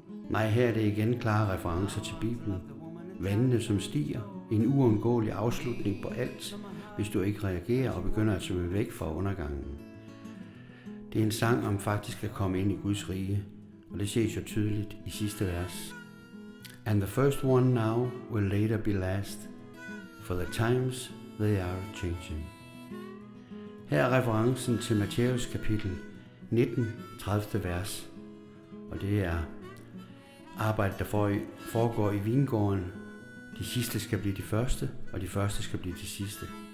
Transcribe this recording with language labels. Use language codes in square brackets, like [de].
[da] Nej, her er det igen klare referencer til Bibelen. Vandene, som stiger. En uundgåelig afslutning på alt, hvis du ikke reagerer og begynder at svømme væk fra undergangen. Det er en sang om faktisk at komme ind i Guds rige, og det ses jo tydeligt i sidste vers. [en] And the first one now will later be last, for the times they are changing. [da] Her er referencen til Matthæus kapitel 19, 30. vers, og det er arbejdet, der foregår i vingården. De sidste skal blive de første, og de første skal blive de sidste.